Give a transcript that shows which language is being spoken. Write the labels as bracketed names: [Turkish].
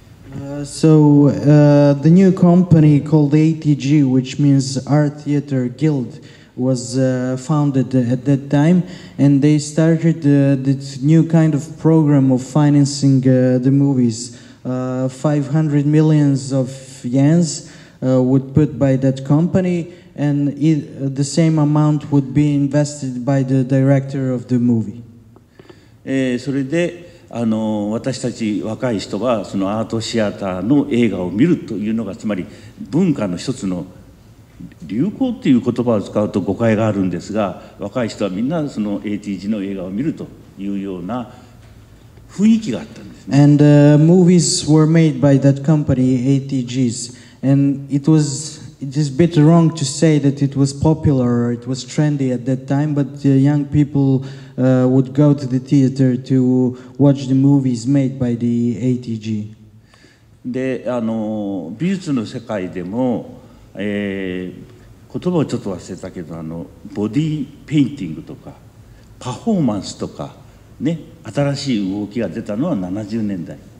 [English] The new company called ATG, which means Art Theater Guild,was founded at that time, and they started this new kind of program of financing the movies. 500 million of yens would put by that company, and the same amount would be invested by the director of the movie. [Japanese] それで私たち若い人はそのアートシアターの映画を見るというのが、つまり文化の一つの流行っていう言葉を使うと誤解があるんですが、若い人はみんなその ATG の映画を見るというような雰囲気があったんですね。 [English] And movies were made by that company, ATG's. And it is a bit wrong to say that it was popular or it was trendy at that time, but the young people would go to the theater to watch the movies made by the ATG. [Japanese] で、美術の世界でも、言葉をちょっと忘れたけど、ボディーペインティングとかパフォーマンスとかね、新しい動きが出たのは70年代。